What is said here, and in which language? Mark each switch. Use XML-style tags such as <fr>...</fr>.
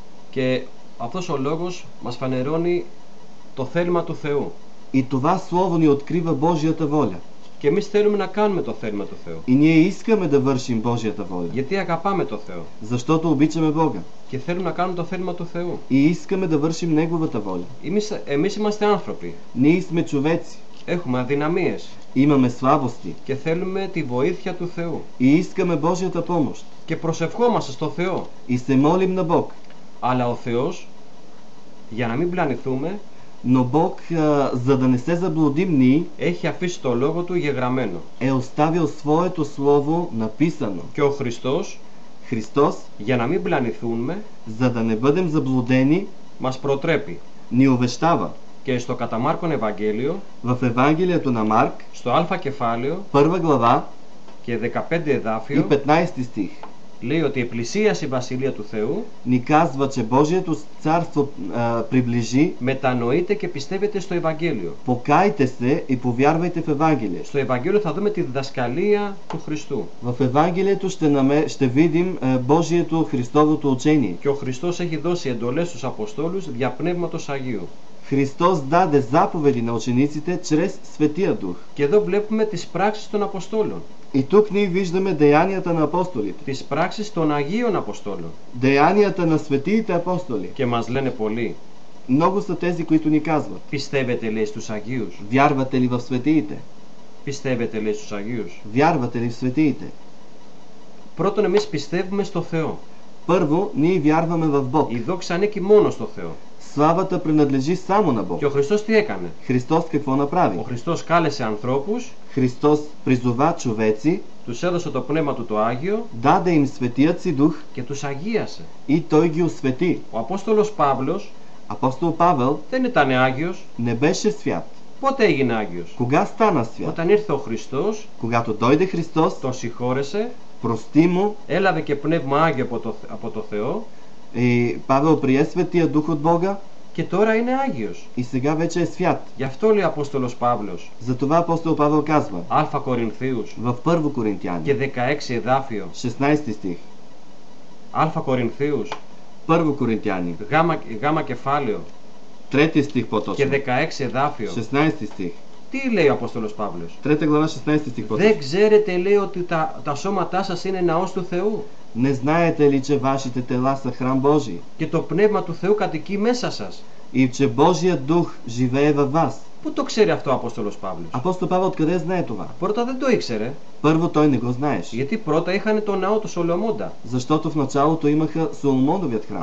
<el>Και αυτός ο Λόγος μας φανερώνει το θέλημα του Θεού.</el> <bg>И това Слово ни открива Божията воля.</bg> <el>Και εμείς θέλουμε να κάνουμε το θέλημα του Θεού.</el> <bg>И ние искаме да вършим Божията воля.</bg> <el>Γιατί αγαπάμε το Θεό.</el> <bg>Защото обичаме Бога.</bg> <el>Και θέλουμε να κάνουμε το θέλημα του Θεού.</el> <bg>И искаме да вършим Неговата воля.</bg> <el>Εμείς είμαστε άνθρωποι.</el> <bg>Ние сме човеци.</bg> <el>Έχουμε αδυναμίες.</el> <bg>Είμαμε σλάβωστοι.</bg> <el>Και θέλουμε τη βοήθεια του Θεού.</el> <bg>И искаμε Божията помощ.</bg> <el>Και προσευχόμαστε στο Θεό.</el> <bg>И се молим на Бог.</bg> <el>Αλλά ο Θεός, για να μην πλανηθούμε,</el> <bg>но Бог, за да не се заблудим ние,</bg> <el>έχει αφήσει το λόγο του γεγραμμένο.</el> <bg>Е оставил своето слово написано.</bg> <el>Και ο Христός,</el> <bg>Христос,</bg> <el>για να μην πλανηθούμε,</el> <bg>за да не бъдем заблудени,</bg> <el>μας προτρέπει.</el> <bg>Ни увещава.</bg> <el>Και στο κατά Μάρκον Ευαγγέλιο,</el> <bg>в Евангелието на Марк,</bg> <el>στο Άλφα κεφάλαιο,</el> <bg>първа глава,</bg> <el>και 15 εδάφιο,</el> <bg>и 15 стих,</bg> <el>λέει ότι επλησίασε η βασιλεία του Θεού,</el> <bg>ни казва, че Божието царство приближи,</bg> <el>μετανοείτε και πιστεύετε στο Ευαγγέλιο.</el> <bg>Покайте се и повярвайте в Евангелие.</bg> <el>Στο Ευαγγέλιο θα δούμε τη διδασκαλία του Χριστού.</el> <bg>В Евангелието ще видим Божието Христовото учение.</bg> <el>Και ο Χριστός έχει δώσει εντολές στους Αποστόλους δια Πνεύματος Αγίου.</el> <bg>Христос даде заповеди на учениците чрез Святия Дух.</bg> <el>Και εδώ βλέπουμε τις πράξεις των Αποστόλων.</el> <bg>И тук ние виждаме деянията на апостолите.</bg> <el>Τις πράξεις των Αγίων Αποστόλων.</el> <bg>Деянията на Святиите Апостоли.</bg> <el>Και μας λένε πολλοί.</el> <bg>Много са тези, които ни казват.</bg> <el>Πιστεύετε, λέει, στους Αγίους.</el> <bg>Вярвате ли в Святиите?</bg> <el>Πιστεύετε, λέει, στους Αγίους.</el> <bg>Вярвате ли в Святиите?</bg> <el>Πρώτον, εμείς πιστεύουμε στο Θεό.</el> <bg>Първо, ние вярваме в Бог.</bg> <el>Η δόξα ανήκει μόνο στο Θεό.</el> <bg>Славата принадлежи само на Бог.</bg> <el>Και ο Христός τι έκανε?</el> <bg>Христос какво направи?</bg> <el>Ο Христός κάλεσε ανθρώπους.</el> <bg>Христос призова човеци.</bg> <el>Τους έδωσε το πνεύμα του το Άγιο.</el> <bg>Δάδε им Святия си дух.</bg> <el>Και τους αγίασε.</el> <bg>И той ги освети.</bg> <el>Ο Απόστολος Παύλος.</el> <bg>Апостол Павел.</bg> <el>Δεν ήταν Άγιος.</el> <bg>Не беше свят.</bg> <el>Πότε έγινε Άγιος?</el> <bg>Кога стана свят?</bg> <el>Όταν ήρθε ο Χριστός.</el> <bg>Когато дойде Христос.</bg> <el>Τον συγχώρεσε.</el> <bg>Прости му.</bg> <el>Έλαβε και πνεύμα Άγιο από το Θεό.</el> <bg>И Павел прие Святия дух от Бога.</bg> <el>Και τώρα είναι Άγιος.</el> <bg>И сега вече е свят.</bg> <el>Γι' αυτό λέει ο Απόστολος Παύλος.</el> <bg>За това Апостол Павел казва.</bg> <el>Α Κορινθίους.</el> <bg>В Първо Коринтияни.</bg> <el>Και 16 εδάφιο.</el> <bg>16 стих.</bg> <el>Α Κορινθίους.</el> <bg>Първо Коринтияни.</bg> <el>Γάμα κεφάλαιο.</el> <bg>Τρίτη стих по-точно.</bg> <el>Και 16 εδάφιο.</el> <bg>16 стих.</bg> <el>Τι λέει ο Απόστολος Παύλος? Τρίτη γλώσσα 16 стих</el> <bg>по-точно.</bg> <el>Δεν ξέρετε, λέει, ότι τα σώματά σας είναι ναός του Θεού.</el> <bg>Не знаете ли, че вашите тела са храм Божий?</bg> <el>Και το πνεύμα του Θεού κατοικεί μέσα σας.</el> <bg>И че Божия дух живее във вас.</bg> <el>Πού το ξέρει αυτό ο Απόστολος Παύλος?</el> <bg>Апостол Павел откъде знае това?</bg> <el>Πρώτα δεν το ήξερε.</el> <bg>Първо той не го знаеш.</bg> <el>Γιατί πρώτα είχαν το ναό του Σολομώντα.</el> <bg>Защото в началото имаха Соломоновият храм.</bg>